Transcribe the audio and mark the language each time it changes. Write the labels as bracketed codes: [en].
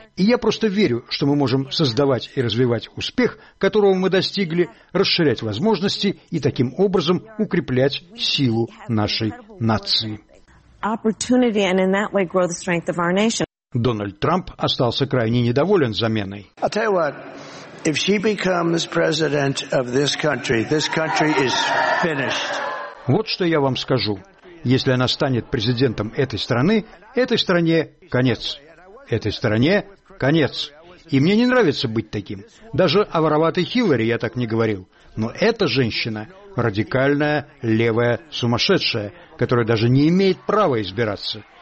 [ru] И я просто верю, что мы можем создавать и развивать успех, которого мы достигли, расширять возможности и таким образом укреплять силу нашей нации. Дональд Трамп остался крайне недоволен заменой. [en] I'll tell you what, if she becomes president of this country is finished. [ru] Вот что я вам скажу. Если она станет президентом этой стране конец. Этой стране конец. И мне не нравится быть таким. Даже о вороватой Хиллари я так не говорил. Но эта женщина – радикальная, левая, сумасшедшая, которая даже не имеет права избираться.